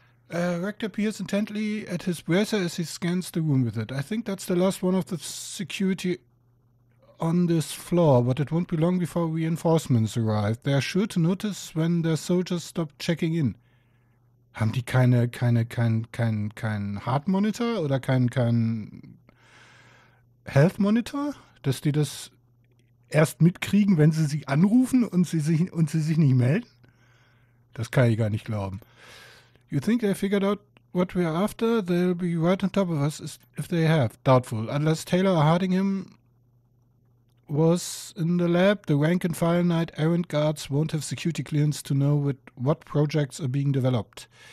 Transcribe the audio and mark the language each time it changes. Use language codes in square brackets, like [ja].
[en] Rector peers intently at his bracer as he scans the room with it. I think that's the last one of the security on this floor, but it won't be long before reinforcements arrive. They're sure to notice when their soldiers stop checking in. [de] Haben die kein Heart Monitor oder kein Health Monitor? Dass die das erst mitkriegen, wenn sie sich anrufen und sie sich nicht melden? Das kann ich gar nicht glauben. [en] You think they figured out what we are after? They'll be right on top of us if they have. Doubtful. Unless Taylor or Hardingham was in the lab, the rank and file knight errand guards won't have security clearance to know what projects are being developed.